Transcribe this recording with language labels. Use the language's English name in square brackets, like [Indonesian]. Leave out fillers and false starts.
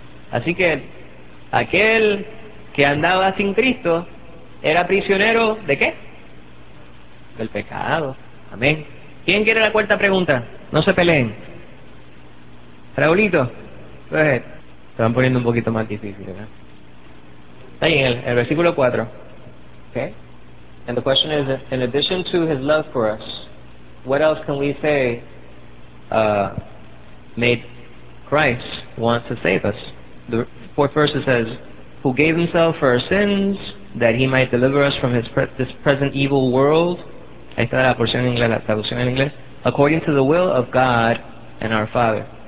[Spanish] Así que aquel que andaba sin Cristo era prisionero ¿de qué? Del pecado. Amén. ¿Quién quiere la cuarta pregunta? No se peleen. Raulito, pues, se van poniendo un poquito más difícil, ¿verdad? Está ahí en el versículo 4. [English] Okay. And the question is, in addition to his love for us, what else can we say made Christ want to save us? The fourth verse says, who gave himself for our sins, that he might deliver us from this present evil world. [Spanish] Ahí está la porción en inglés, la traducción en inglés. [English] According to the will of God and our Father.